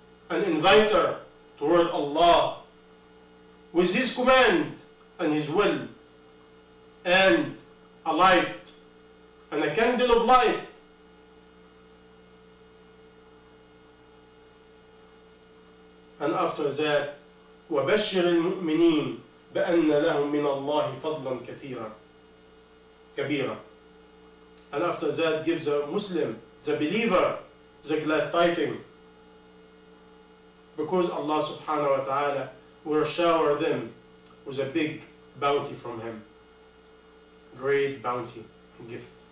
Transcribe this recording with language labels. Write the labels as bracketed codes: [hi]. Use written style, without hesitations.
[en] an inviter toward Allah with his command and his will, and a light and a candle of light. And after that, [ar] وبشر المؤمنين بأن لهم من الله فضلا كثيرا كبيرا. [en] And after that, give the Muslim, the believer, the glad tidings, because Allah subhanahu wa ta'ala will shower them with a big bounty from him. Great bounty and gift.